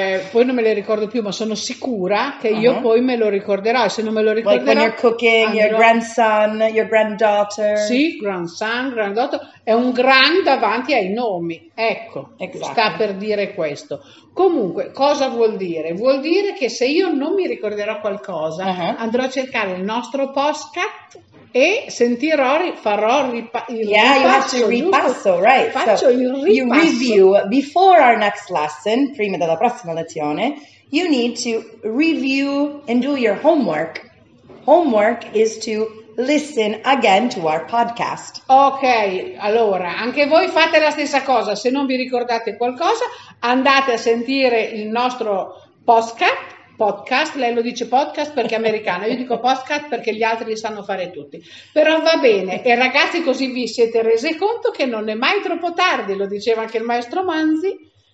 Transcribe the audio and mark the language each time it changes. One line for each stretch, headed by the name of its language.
Italian: Poi non me le ricordo più, ma sono sicura che io poi me lo ricorderò, e se non me lo ricorderò...
English: Like when you're cooking, your grandson, your granddaughter.
Italian: Sì, grandson, granddaughter, è un gran davanti ai nomi, ecco,
English: exactly.
Italian: Sta per dire questo. Comunque, cosa vuol dire? Vuol dire che se io non mi ricorderò qualcosa, andrò a cercare il nostro podcast e sentirò, farò il ripasso.
English: You review, before our next lesson,
Italian: prima della prossima lezione,
English: you need to review and do your homework. Homework is to listen again to our podcast.
Italian: Ok, allora, anche voi fate la stessa cosa. Se non vi ricordate qualcosa, andate a sentire il nostro podcast. Podcast, lei lo dice podcast perché è americana, io dico podcast perché gli altri li sanno fare tutti. Però va bene, e ragazzi così vi siete resi conto che non è mai troppo tardi, lo diceva anche il maestro Manzi.